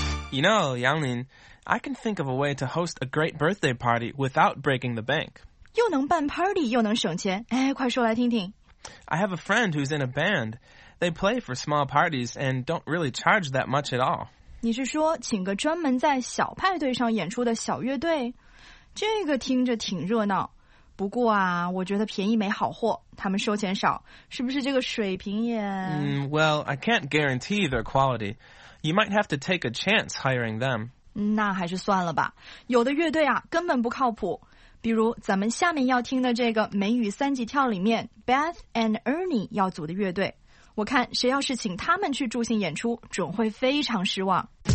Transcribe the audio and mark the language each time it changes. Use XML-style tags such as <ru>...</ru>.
<en>You know, Yang Lin, I can think of a way to host a great birthday party without breaking the bank.</en> <zh>又能办 party 又能省钱，哎，快说来听听。</zh> <en>I have a friend who's in a band. They play for small parties and don't really charge that much at all.</en> <zh>你是说请个专门在小派对上演出的小乐队？这个听着挺热闹。不过啊，我觉得便宜没好货，他们收钱少，是不是这个水平也？</zh> <en>Well, I can't guarantee their quality. You might have to take a chance hiring them.</en> <zh>那还是算了吧。有的乐队啊，根本不靠谱。比如咱们下面要听的这个《梅雨三级跳》里面 ，Beth and Ernie 要组的乐队，我看谁要是请他们去助兴演出，准会非常失望。</zh>